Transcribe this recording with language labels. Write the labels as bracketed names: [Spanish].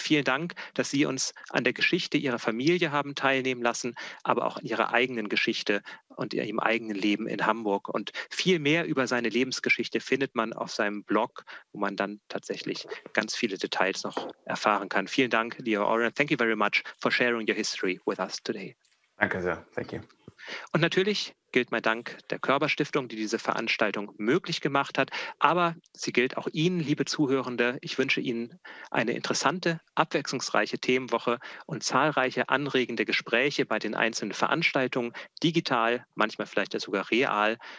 [German] Vielen Dank, dass Sie uns an der Geschichte Ihrer Familie haben teilnehmen lassen, aber auch an Ihrer eigenen Geschichte und Ihrem eigenen Leben in Hamburg. Und viel mehr über seine Lebensgeschichte findet man auf seinem Blog, wo man dann tatsächlich ganz viele Details noch erfahren kann. Vielen Dank, Leo Oren. [English] Thank you very much for sharing your history with us today. [German] Danke sehr. [English] Thank you. [German] Und natürlich gilt mein Dank der Körberstiftung, die diese Veranstaltung möglich gemacht hat. Aber sie gilt auch Ihnen, liebe Zuhörende. Ich wünsche Ihnen eine interessante, abwechslungsreiche Themenwoche und zahlreiche anregende Gespräche bei den einzelnen Veranstaltungen, digital, manchmal vielleicht sogar real.